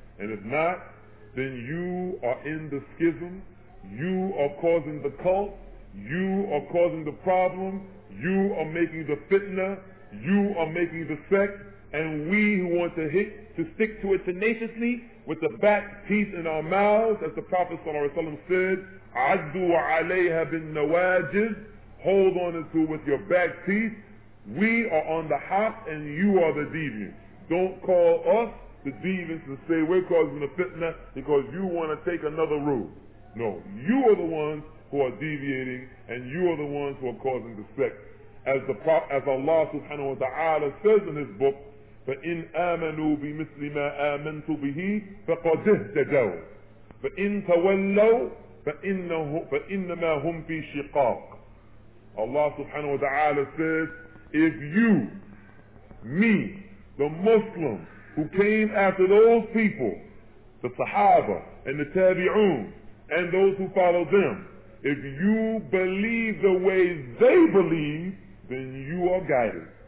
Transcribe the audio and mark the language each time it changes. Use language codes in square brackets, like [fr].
[en] And if not, then you are in the schism, you are causing the cult, you are causing the problem, you are making the fitna, you are making the sect, and we who want to stick to it tenaciously with the back teeth in our mouths, as the Prophet sallallahu alaihi wasallam said, [ar] عَدُّوا عَلَيْهَا بِالنَّوَاجِزِ, [en] hold on to it with your back teeth. We are on the hop and you are the deviants. Don't call us the deviants and say we're causing the fitna because you want to take another route. No, you are the ones who are deviating and you are the ones who are causing the sect. [ar] As Allah subhanahu wa ta'ala says in his book, فَإِنْ آمَنُوا بِمِثْلِ مَا آمَنْتُ بِهِ فَقَدِ اهْتَدَوْا فَإِنْ تَوَلَّوْا فَإِنَّمَا هُمْ فِي شِقَاقٍ. [en] Allah subhanahu wa ta'ala says, if you, me, the Muslim, who came after those people, the Sahaba and the Tabi'un, and those who followed them, if you believe the way they believe, then you are guided.